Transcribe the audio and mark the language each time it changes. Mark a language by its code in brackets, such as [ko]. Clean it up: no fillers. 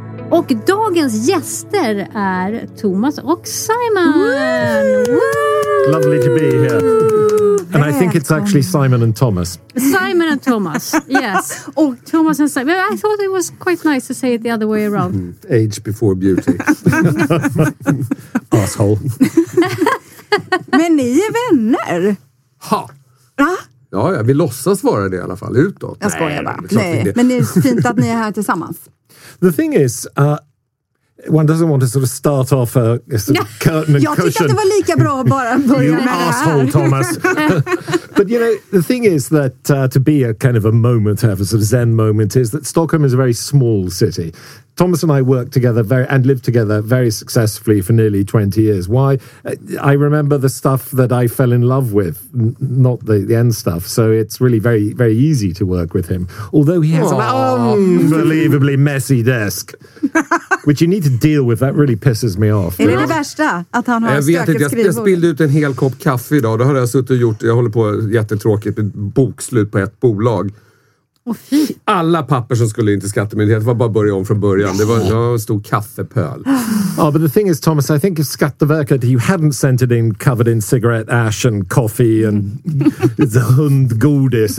[sv] Och dagens gäster är Thomas och Simon. [en] Woo! Lovely to be here. And I think it's actually Simon and Thomas. Simon and Thomas, yes. Oh, Thomas and Simon. I thought it was quite nice to say it the other way around. Age before beauty. Asshole. [sv] Men ni är vänner. Ha. Va? Ja, ja, vi låtsas vara det i alla fall, utåt. Jag skojar bara. Nej, men det är fint att ni är här tillsammans. [en] The thing is, one doesn't want to sort of start off a sort of curtain and cushion. [sv] Jag tyckte att det var lika bra att bara börja [en] you [sv] med [en] asshole, [sv] det här. Thomas. [en] But, you know, the thing is that to be a kind of a moment, have a sort of zen moment, is that Stockholm is a very small city. Thomas and I worked together and lived together very successfully for nearly 20 years. Why? I remember the stuff that I fell in love with, not the end stuff. So it's really very, very easy to work with him. Although he has an unbelievably messy desk, which you need to deal with. That really pisses me off. [sv] Är det värsta att han har stökigt skrivbord? Jag spillde ut en hel kopp kaffe idag. Då har jag suttit och gjort, jag håller på jättetråkigt med bokslut på ett bolag. Alla papper som skulle in till Skattemyndigheten var bara börja om från början. Det var en stor kaffepöl. [en] Oh, but the thing is, Thomas, I think if Skatteverket, you hadn't sent it in covered in cigarette ash and coffee and the hundgodis.